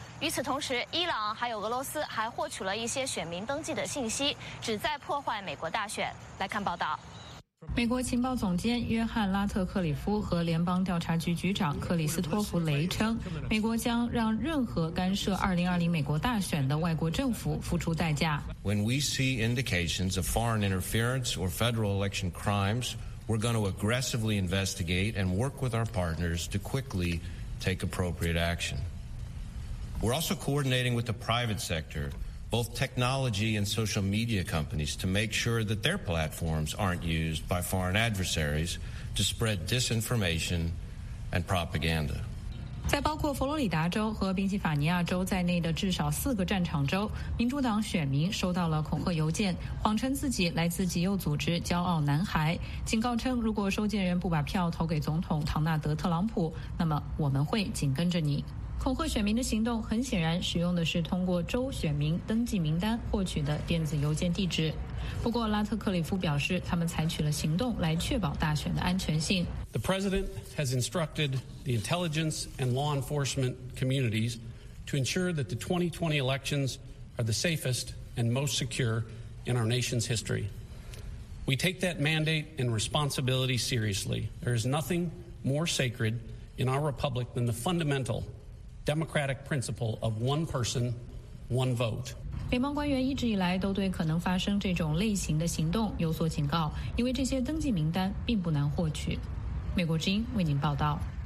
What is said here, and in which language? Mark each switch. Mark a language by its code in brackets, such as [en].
[zh] 与此同时，伊朗还有俄罗斯还获取了一些选民登记的信息，旨在破坏美国大选。来看报道。美国情报总监约翰·拉特克里夫和联邦调查局局长克里斯托弗·雷称，美国将让任何干涉2020美国大选的外国政府付出代价。 [en] When we see indications of foreign interference or federal election crimes,We're going to aggressively investigate and work with our partners to quickly take appropriate action. We're also coordinating with the private sector, both technology and social media companies, to make sure that their platforms aren't used by foreign adversaries to spread disinformation and propaganda. [zh] 在包括佛罗里达州和宾夕法尼亚州在内的至少四个战场州，民主党选民收到了恐吓邮件，谎称自己来自极右组织“骄傲男孩”，警告称如果收件人不把票投给总统唐纳德·特朗普，那么我们会紧跟着你。恐吓选民的行动很显然使用的是通过州选民登记名单获取的电子邮件地址。不过，拉特克里夫表示，他们采取了行动来确保大选的安全性。 [en] The president has instructed the intelligence and law enforcement communities to ensure that the 2020 elections are the safest and most secure in our nation's history. We take that mandate and responsibility seriously. There is nothing more sacred in our republic than the fundamental democratic principle of one person, one vote. [zh] 联邦官员一直以来都对可能发生这种类型的行动有所警告，因为这些登记名单并不难获取。美国之音为您报道。